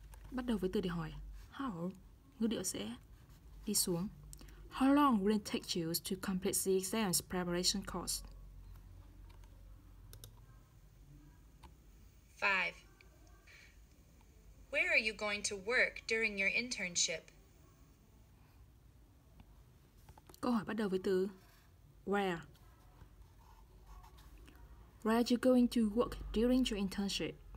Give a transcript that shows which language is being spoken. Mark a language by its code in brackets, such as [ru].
[vi] Bắt đầu với từ để hỏi. How? Ngữ điệu sẽ đi xuống. [en] How long will it take you to complete the exam's preparation course? 5. Where are you going to work during your internship? [vi] Câu hỏi bắt đầu với từ where. [en] Where are you going to work during your internship?